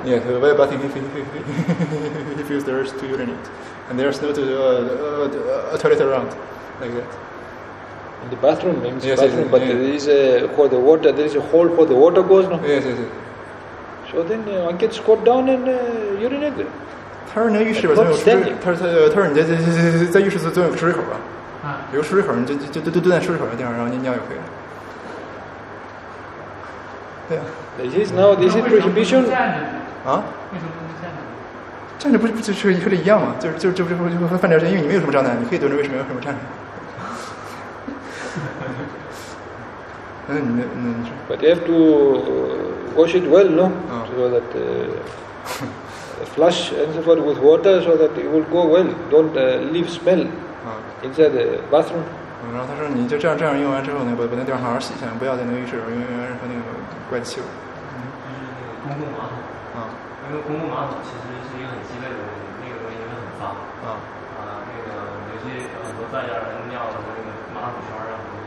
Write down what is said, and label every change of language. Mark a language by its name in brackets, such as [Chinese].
[English] Yeah, while bathing he feels the urge to urinate. And there's no toilet around like that. In the bathroom, maybe yes, bathroom, yes, but yes. There is a hole for the water goes, no? Yes. So then one can squat down and urinate. [Chinese] 他说那浴室吧，总有出水。他说你在浴室总有出水口吧？啊，有出水口，你就蹲在出水口的地方，然后尿就可以了。对啊。 [English] This is now this is prohibition. 啊？ [Chinese] 为什么不站着？站着不就是和这一样吗？就犯点罪，因为你没有什么障碍，你可以蹲着，为什么要什么站着？ [English] But you have to wash it well, no? So that flush and so forth with water so that it will go well. Don't leave smell inside the bathroom. [Chinese] 然后他说你就这样用完之后呢，把那地方好好洗一下，不要在那个浴室用任何那个怪气味。就是那个公共马桶。因为公共马桶其实是一个很鸡肋的东西，那个东西很脏。那个有些很多在家人尿的那个马桶圈上。